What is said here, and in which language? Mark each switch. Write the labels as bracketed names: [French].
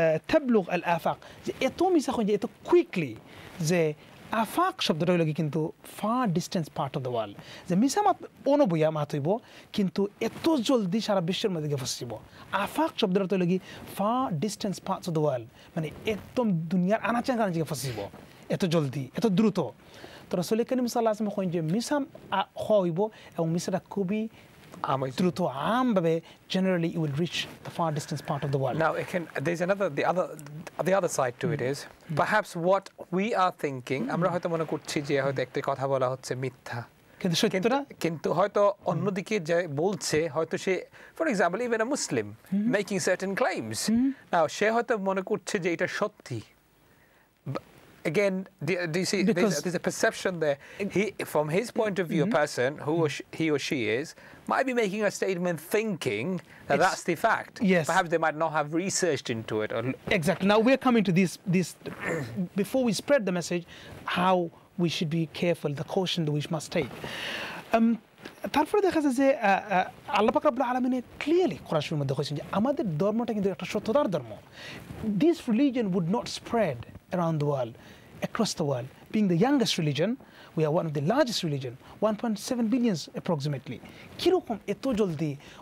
[Bangla] তাবলুগ আল আফাক যে এত Misa coin যে এত কুইকলি যে আফাক শব্দটা হইলে কিন্তু [English] far distance part of the world [Bangla] যে মিসা মাত অনবইয়া মাত হইব কিন্তু এত জলদি সারা বিশ্বের মধ্যে গিয়ে ফসিব আফাক শব্দটা তৈরি লাগি [English] far distance parts of the world [Bangla] মানে একদম দুনিয়ার আনাচাঙ্গ আনাচে গিয়ে ফসিব এত জলদি এত দ্রুত তো রাসুল করিম সাল্লাল্লাহু আলাইহি ওয়া সাল্লাম কইন যে মিসা হওয়া হইব এবং মিসাটা খুবই দ্রুত আমভাবে generally [English] you will reach the far distance part of the world now এখানে there is another the other the other side to it is perhaps what we are thinking [Bangla] আমরা হয়তো মনে করছি যে হয়তো একটা কথা বলা হচ্ছে মিথ্যা কিন্তু সত্যটা কিন্তু হয়তো অন্য দিকে যে বলছে হয়তো সে [English] for example even a Muslim making certain claims now [Bangla] সে হয়তো মনে করছে যে এটা সত্যি [English] Again, do you see, there's a perception there. He, from his point of view, a person, who or she, he or she is, might be making a statement thinking that that's the fact. Yes. Perhaps they might not have researched into it. Or exactly. Now, we're coming to this before we spread the message, how we should be careful, the caution that we must take. [Bangla] তারপরে দেখা যায় যে আল্লাহ পাক রব্বুল আলামিনে clearly কোরআন শরীফের মধ্যে কইছেন যে আমাদের ধর্মটা কিন্তু একটা সত্যতার ধর্ম [English] this religion would not spread around the world across the world being the youngest religion we are one of the largest religion 1.7 billion approximately [Bangla] কীরকম এত জলদি